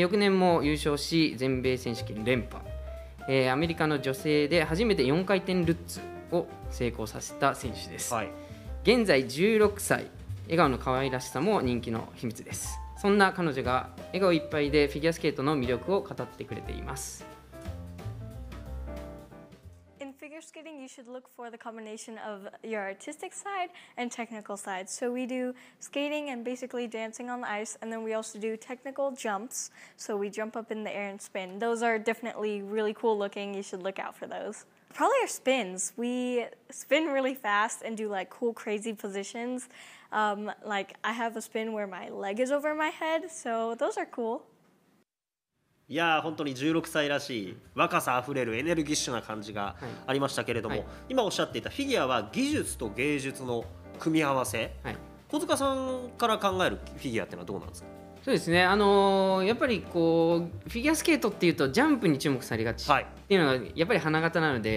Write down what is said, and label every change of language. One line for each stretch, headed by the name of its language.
Japanese: 翌年も優勝し全米選手権連覇、アメリカの女性で初めて4回転ルッツを成功させた選手です。はい、現在16歳、笑顔の可愛らしさも人気の秘密です。そんな彼女が笑顔いっぱいでフィギュアスケートの魅力を語ってくれています。
English: Figure skating, you should look for the combination of your artistic side and technical side. So we do skating and basically dancing on the ice, and then we also do technical jumps. So we jump up in the air and spin. Those are definitely really cool looking. You should look out for those. Probably our spins. We spin really fast and do like cool, crazy positions. Like I have a spin where my leg is over my head. So those are cool.
Japanese: いや本当に16歳らしい若さあふれるエネルギッシュな感じがありましたけれども、はいはい、今おっしゃっていたフィギュアは技術と芸術の組み合わせ、はい、小塚さんから考えるフィギュアってのはどうなんですか。そうですね、やっぱりこうフィギュアスケートっていうとジャンプに注目されがちっていうのがやっぱり花形なので、